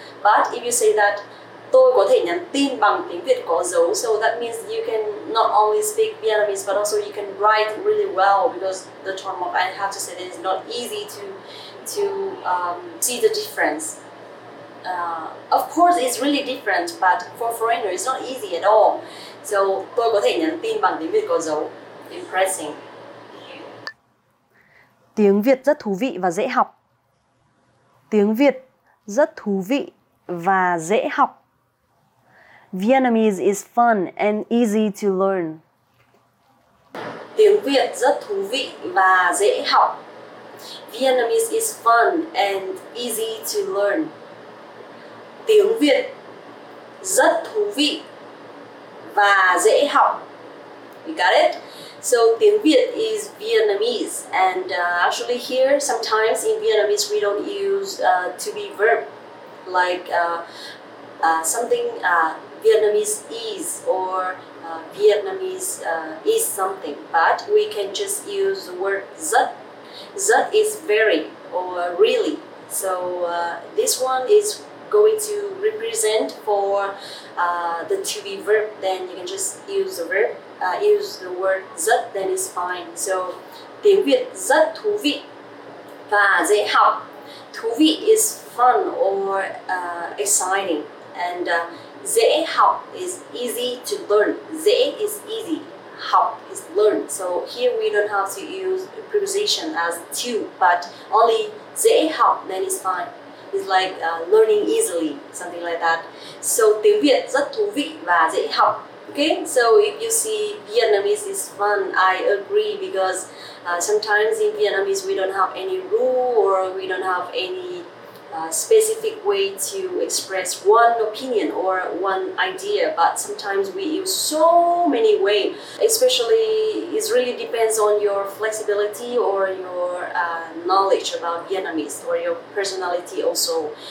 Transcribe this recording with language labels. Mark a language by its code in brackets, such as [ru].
[en] But if you say that [vi] tôi có thể nhắn tin bằng tiếng Việt có dấu, [en] so that means you can not only speak Vietnamese but also you can write really well, because the term of, I have to say that it's not easy to see the difference. Of course, it's really different, but for foreigners, it's not easy at all. So tôi có thể nhắn tin bằng tiếng Việt có dấu. Impressing. [vi] Tiếng Việt rất thú vị và dễ học. Tiếng Việt rất thú vị và dễ học. [en] Vietnamese is fun and easy to learn. [vi] Tiếng Việt rất thú vị và dễ học. [en] Vietnamese is fun and easy to learn. [vi] Tiếng Việt rất thú vị và dễ học. [en] You got it? So tiếng Việt is Vietnamese, and actually here sometimes in Vietnamese we don't use to be verb like something Vietnamese is or Vietnamese is something, but we can just use the word rất. Rất is very or really. So this one is going to represent for the to be verb. Then you can just use the verb, use the word rất, then it's fine. [vi] So tiếng Việt rất thú vị và dễ học. [en] Thú vị is fun or exciting, and dễ học is easy to learn. Dễ is easy, học is learn. So here we don't have to use a preposition as to, but only dễ học, then it's fine. It's like learning easily, something like that. [vi] So tiếng Việt rất thú vị và dễ học. [en] Okay, so if you see Vietnamese is fun, I agree, because sometimes in Vietnamese we don't have any rule or we don't have any specific way to express one opinion or one idea, but sometimes we use so many ways, especially it really depends on your flexibility or your knowledge about Vietnamese or your personality also.